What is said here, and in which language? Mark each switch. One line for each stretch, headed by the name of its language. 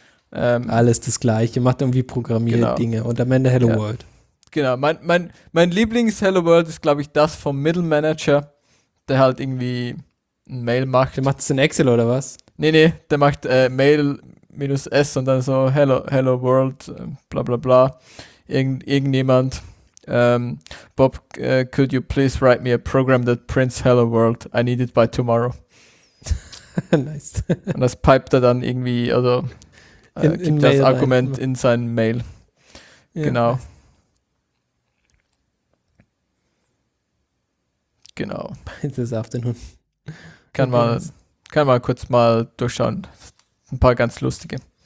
German: Alles das Gleiche, macht irgendwie programmierte Dinge und am Ende Hello World. Genau, mein Lieblings-Hello World ist, glaube ich, das vom Middle Manager, der halt irgendwie ein Mail macht. Der macht es in Excel oder was? Nee, der macht Mail-S und dann so Hello World, bla bla bla. Irgendjemand,
English: Bob, could you please write me a program that prints Hello World? I need it by tomorrow. Nice.
German: Und das piped er dann irgendwie, also. Gibt das Argument in seinen Mail. Ja. Genau. Genau.
English: This afternoon.
German: Kann mal kurz mal durchschauen. Ein paar ganz lustige.